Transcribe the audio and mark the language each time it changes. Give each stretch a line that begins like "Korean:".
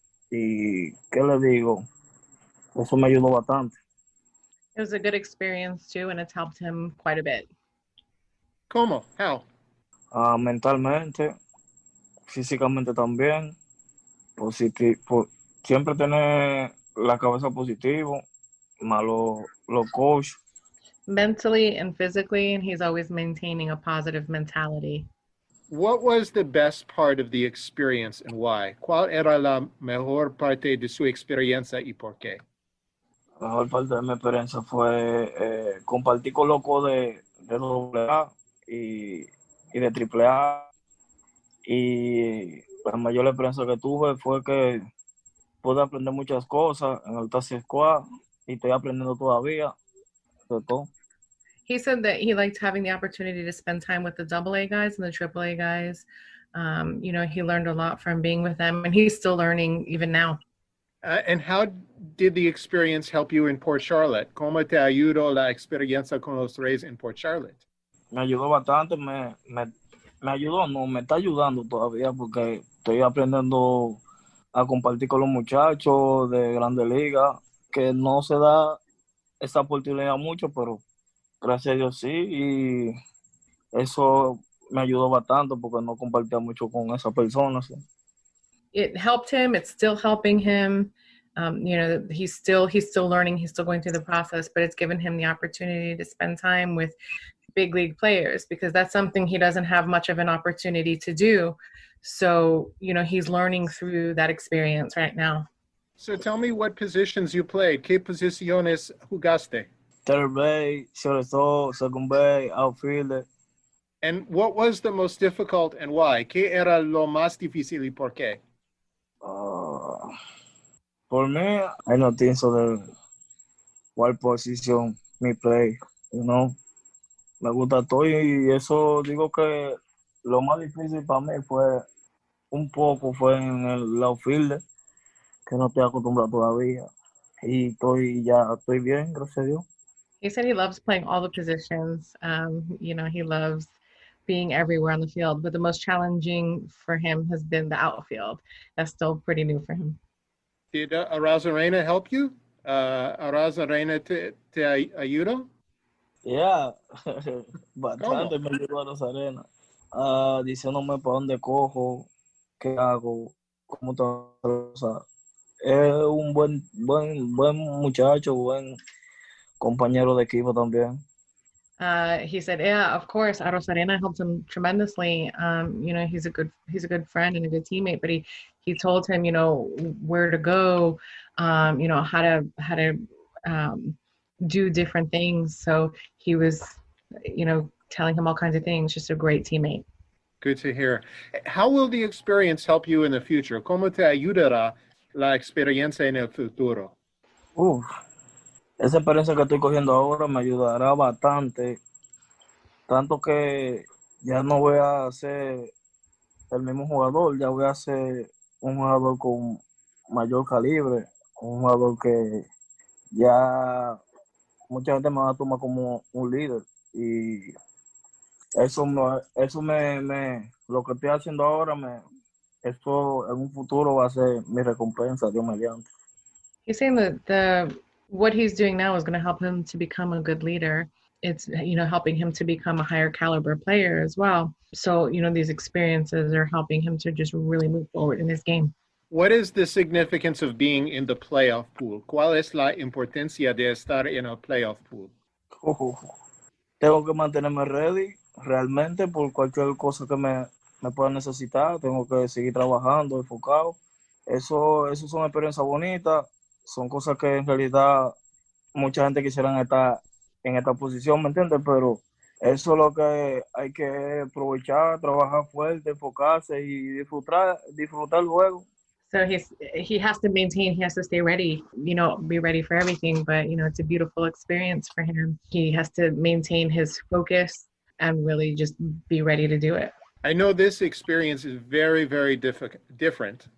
Spanish: Y qué le digo, eso me ayudó bastante.
English: It was a good experience too, and it's helped him quite a bit.
Spanish: ¿Cómo?
English: How?
Spanish: Mentalmente, físicamente también. Siempre tener la cabeza positivo, malo lo coach.
English: Mentally and physically, and he's always maintaining a positive mentality. What was the best part of the experience and why?
Spanish: ¿Cuál era la mejor parte de su experiencia y por qué? La mejor parte de mi experiencia fue compartir con loco de AA y de AAA. Y la mayor experiencia que tuve fue que pude aprender muchas cosas en el Taxi Squad y estoy aprendiendo todavía de todo.
English: He said that he liked having the opportunity to spend time with the AA guys and the AAA guys. You know, he learned a lot from being with them, and he's still learning even now. And how did the experience help you in Port Charlotte?
Spanish: ¿Cómo te ayudó la experiencia con los Rays
English: in Port Charlotte?
Spanish: Me ayudó bastante. Me está ayudando todavía porque estoy aprendiendo a compartir con los muchachos de Grandes Ligas, que no se da esa oportunidad mucho, pero gracias a Dios sí. Y eso me ayudó bastante porque no compartía mucho con esa persona, ¿sí?
English: It helped him. It's still helping him. You know, he's still learning. He's still going through the process, but it's given him the opportunity to spend time with big league players because that's something he doesn't have much of an opportunity to do. So, you know, he's learning through that experience right now. So tell me what positions you played.
Spanish: ¿Qué posiciones jugaste?
English: Third base, shortstop, second base, outfielder. And what was the most difficult and why?
Spanish: ¿Qué era lo más difícil y por qué?
English: For me, I don't think so that what position me play, you know.
Spanish: Me gusta todo y eso digo que lo más difícil para mí fue un poco fue en el outfield, que no estoy acostumbrado todavía. Y ya estoy bien, gracias a Dios.
English: He said he loves playing all the positions. You know, he loves being everywhere on the field, but the most challenging for him has been the outfield. That's still pretty new for him. Did Arozarena help you?
Spanish: Arozarena te ayudó? Yeah, bastante me ayudó Arozarena. Diciéndome para dónde cojo, qué hago, cómo todo. O sea, es un buen muchacho, buen compañero de equipo también.
English: He said, yeah, of course, Arozarena helped him tremendously. You know, he's a good friend and a good teammate, but he told him, you know, where to go, you know, how to do different things. So he was, you know, telling him all kinds of things, just a great teammate. Good to hear. How will the experience help you in the future?
Spanish: ¿Cómo te ayudará la experiencia en el futuro? Esa experiencia que estoy cogiendo ahora me ayudará bastante, tanto que ya no voy a ser el mismo jugador, ya voy a ser un jugador con mayor calibre, un jugador que ya mucha gente me va a tomar como un líder. Y eso en un futuro va a ser mi recompensa, Dios mediante.
English: He's saying that what he's doing now is going to help him to become a good leader. It's, you know, helping him to become a higher caliber player as well. So, you know, these experiences are helping him to just really move forward in his game. What is the significance of being in the playoff pool?
Spanish: ¿Cuál es la importancia de estar en el playoff pool? Tengo que mantenerme ready realmente por cualquier cosa que me pueda necesitar. Tengo que seguir trabajando, enfocado. Eso es una experiencia bonita. son cosas que en realidad mucha gente quisiera estar en esta posición, ¿me entiendes? Pero eso es lo que hay que aprovechar, trabajar fuerte, enfocarse y disfrutar el juego.
English: So he has to maintain, he has to stay ready, you know, be ready for everything. But, you know, it's a beautiful experience for him. He has to maintain his focus and really just be ready to do it. I know this experience is very, very different.